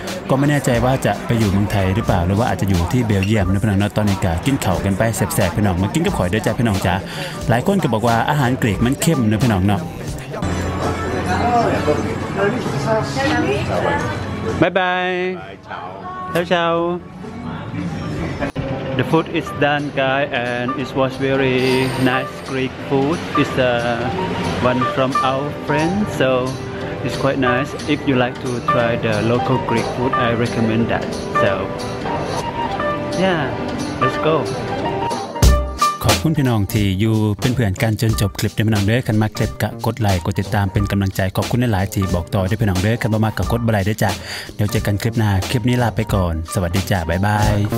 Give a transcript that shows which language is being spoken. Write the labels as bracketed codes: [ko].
[th] ก็ไม่แน่ใจว่าจะไปอยู่เมืองไทยหรือเปล่าหรือว่าอาจจะอยู่ที่เบลเยียมนะพี่น้องเนาะตอนนี้ก็กินข้าวกันไปแซ่บๆพี่น้องมากินกับข่อยด้วยจ้ะพี่น้องจ๋าหลายคนก็บอกว่าอาหารกรีกมันเข้มนะพี่น้องเนาะบ๊ายบายเช้าเช้า [en] The food is done, guys, and it was very nice Greek food. It's one from our friend, so it's quite nice. If you like to try the local Greek food, I recommend that. So, yeah, let's go. [th] ขอบคุณพี่น้องที่อยู่เป็นเพื่อนกันจนจบคลิปด้วยพี่น้องด้วยกันมาคลิปกะกดไลค์กดติดตามเป็นกำลังใจขอบคุณหลายที่บอกต่อด้วยพี่น้องด้วยกันมากๆกับกดบลายด้วยจ้ะเดี๋ยวเจอกันคลิปหน้าคลิปนี้ลาไปก่อนสวัสดีจ้ะบ๊ายบาย